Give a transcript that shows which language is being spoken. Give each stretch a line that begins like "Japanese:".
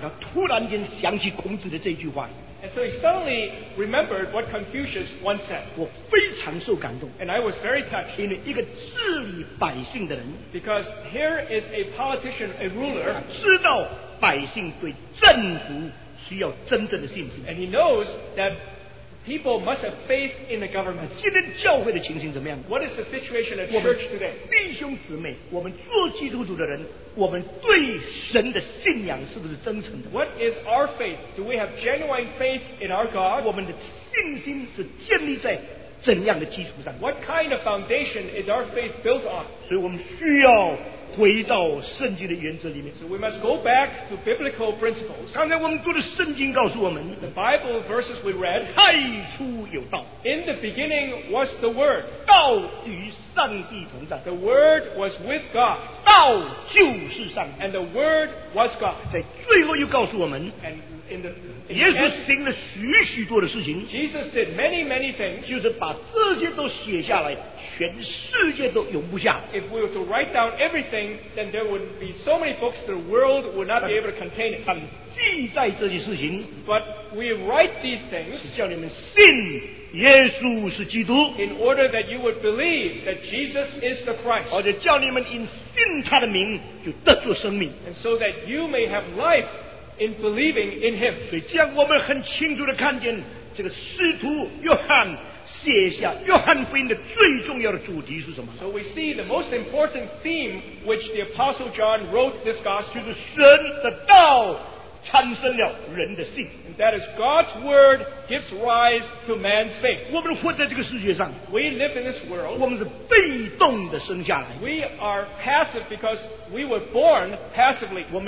Chinese: 他突然间想起孔子的这句话语。
English: And so he suddenly remembered what Confucius once said.
Chinese: 我非常受感动。
English: And I was very touched.
Chinese: 因为一个治理百姓的人,
English: because here is a politician, a ruler.
Chinese: 知道百姓对政府需要真正的信心。
English: And he knows that people must have faith in the government.
Chinese: 今天教会的情形怎么样?
English: What is the situation at church today?
Chinese: 弟兄姊妹, 我们做基督徒的人, 我们对神的信仰是不是真诚的?
English: What is our faith? Do we have genuine faith in our God?
Chinese: 我们的信心是建立在怎样的基础上?
English: What kind of foundation is our faith built on?
Chinese: 所以我们需要回到圣经的原则里面。
English: So we must go back to biblical principles.
Chinese: 刚才我们读的圣经告诉我们,
English: the Bible verses we read,
Chinese: 太初有道,
English: in the beginning was the Word,
Chinese: 道与上帝同在,
English: the Word was with God,
Chinese: 道就是上帝,
English: and the Word was God.
Chinese: 在最后又告诉我们,
English: and in the end, Jesus did many, many things.
Chinese: 就是把这些都写下来,
English: if we were to write down everything, then there would be so many books the world would not be able to contain it.
Chinese: 记载这些事情,
English: but we write these things
Chinese: 是叫你们信耶稣是基督,
English: in order that you would believe that Jesus is the Christ.
Chinese: 而且叫你们因信他的名就得着生命,
English: and so that you may have life in believing in him.
Chinese: 所以这样我们很清楚地看见这个使徒约翰写下约翰福音的最重要的主题是什么?
English: So we see the most important theme which the Apostle John wrote this gospel,
Chinese: 就是神的道产生了人的信,
English: and that is God's word gives rise to man's faith.
Chinese: 我们活在这个世界上,
English: we live in this world,
Chinese: 我们是被动地生下来,
English: we are passive because we were born passively.